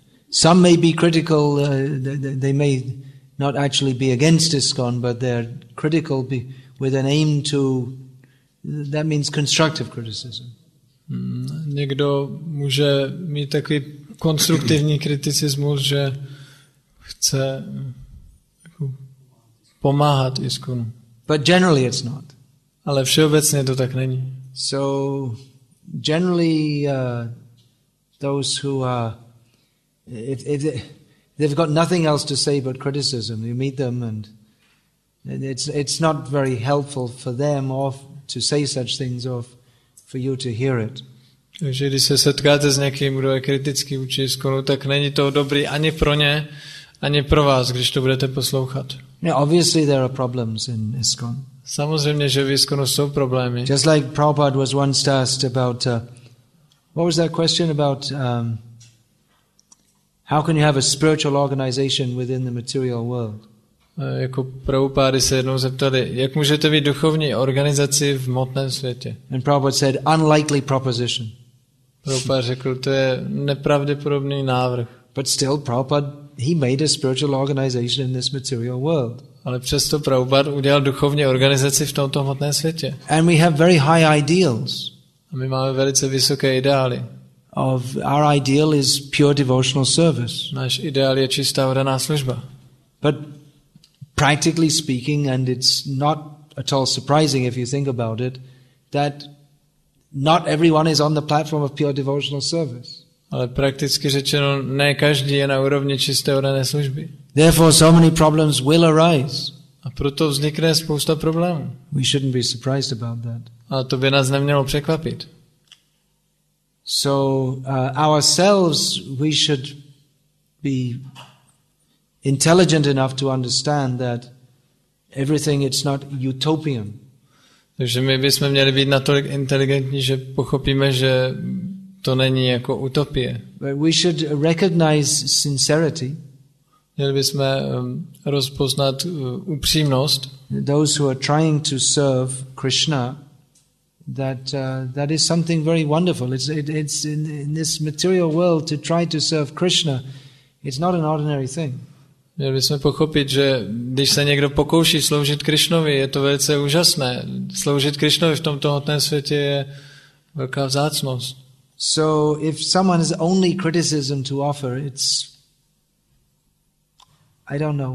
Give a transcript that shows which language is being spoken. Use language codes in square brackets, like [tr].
[en] Some may be critical, they may not actually be against ISKCON, but they're critical with an aim to, that means constructive criticism. [cs] Někdo může mít takový konstruktivní kriticismus, že chce pomáhat ISKCONu. [en] But generally it's not. [cs] Ale všeobecně to tak není. [en] So generally those who are if they've got nothing else to say but criticism, you meet them and it's not very helpful for them or to say such things or for you to hear it. [cs] Takže když se setkáte s někým, kdo je kritický vůči ISKCONu, tak není to dobrý ani pro ně, ani pro vás, když to budete poslouchat. [en] Yeah, obviously there are problems in ISKCON. [cs] Samozřejmě, že v ISKCONu jsou problémy. [en] Just like Prabhupada was once asked about what was that question about how can you have a spiritual organization within the material world? [cs] Jako Prabhupáda se jednou zeptali, jak můžete být duchovní organizaci v hmotném světě? [en] And Prabhupada said, unlikely proposition. [cs] Prabhupáda řekl, to je nepravděpodobný návrh. [en] But still, Prabhupada, he made a spiritual organization in this material world. [cs] Ale přesto Prabhupáda udělal duchovní organizaci v tomto hmotném světě. [en] And we have very high ideals. [cs] A my máme velice vysoké ideály. [en] Of our ideal is pure devotional service. [cs] Náš ideál je čistá oddaná služba. [en] But practically speaking, and it's not at all surprising if you think about it, that not everyone is on the platform of pure devotional service. [cs] Ale prakticky řečeno, ne každý je na úrovni čisté oddané služby. [en] Therefore, so many problems will arise. [cs] A proto vznikne spousta problémů. [en] We shouldn't be surprised about that. [cs] A to by nás nemělo překvapit. [en] So ourselves, we should be intelligent enough to understand that everything, it's not utopian. [cs] Takže my bychom měli být natolik inteligentní, že pochopíme, že to není jako utopie. [en] But we should recognize sincerity. [cs] Měli bychom rozpoznat upřímnost. [en] Those who are trying to serve Krishna that is something very wonderful. It's in this material world to try to serve Krishna. It's not an ordinary thing. [cs] Měli bychom pochopit, že když se někdo pokouší sloužit Krišnovi, je to velice úžasné. Sloužit Krišnovi v tomto hmotném světě je velká vzácnost. [en] So if someone has only criticism to offer, it's I don't know.